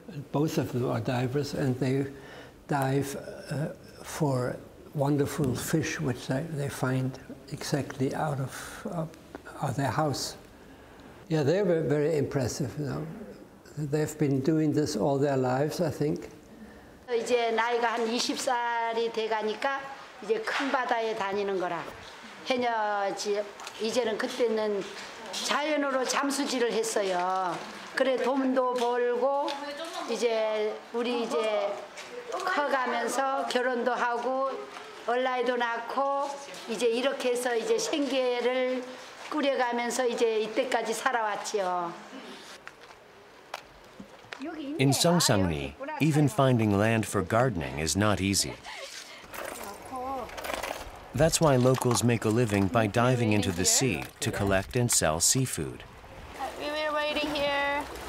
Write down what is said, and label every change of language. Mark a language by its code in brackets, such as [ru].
[en] Both of them are divers, and they dive for wonderful fish which they find exactly out of their house. Yeah, they were very impressive, you know. They've been doing this all their lives, I think. [ko] 이제 나이가 한 20살이 돼가니까 이제 큰 바다에 다니는 거라 해녀지 이제는 그때는 자연으로 잠수질을 했어요. 그래 돈도 벌고 이제 우리 이제 커가면서 결혼도 하고 얼라이도 낳고 이제 이렇게 해서 이제 생계를 꾸려가면서 이제 이때까지 살아왔지요. [en] In Songsangni, even finding land for gardening is not easy. That's why locals make a living by diving into the sea to collect and sell seafood. We were waiting here.